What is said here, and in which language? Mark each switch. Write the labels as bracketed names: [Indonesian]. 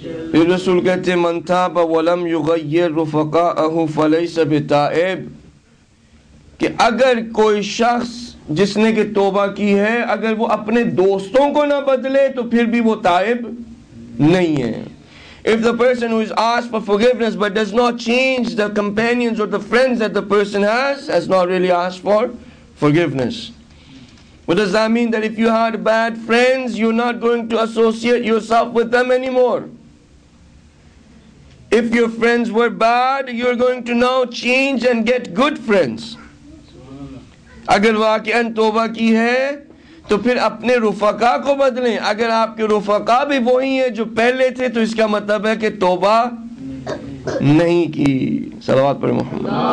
[Urdu] پھر رسول کہتے ہیں [Arabic] من تاب ولم یغیر رفقاءہ فلیس بتائب، [Urdu] کہ اگر کوئی شخص جس نے کہ توبہ کی ہے اگر وہ اپنے دوستوں کو نہ بدلے تو پھر بھی وہ تائب نہیں ہے. [English] If the person who is asked for forgiveness but does not change the companions or the friends that the person has not really asked for forgiveness. What does that mean? That if you had bad friends you're not going to associate yourself with them anymore. If your friends were bad, you're going to now change and get good friends. [Urdu] اگر واقعاً توبہ کی ہے تو پھر اپنے رفقا کو بدلیں. اگر آپ کے رفقا بھی وہی ہیں جو پہلے تھے تو اس کا مطلب ہے کہ توبہ نہیں کی. صلوات پر محمد.